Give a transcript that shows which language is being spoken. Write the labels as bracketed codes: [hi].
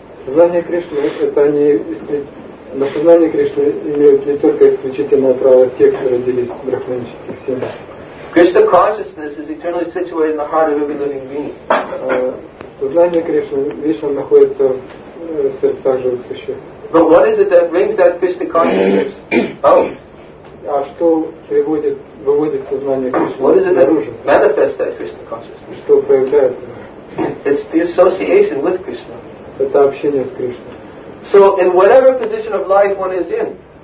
[ru] Сознание Кришны это не на сознание Кришны имеют не только исключительное право те, кто родились в брахманических семьях. [en] Krishna consciousness is eternally situated in the heart of every living being. [ru] Сознание Кришны вечно находится в сердцах живых существ. [en] But what is it that brings that Krishna consciousness out? [ru] А что приводит выводит сознание Кришны? [en] Manifest that Krishna consciousness. [ru] Что проявляет? [en] It's the association with Krishna. [ru] Это общение с Кришной. [en] So in whatever position of life one is in.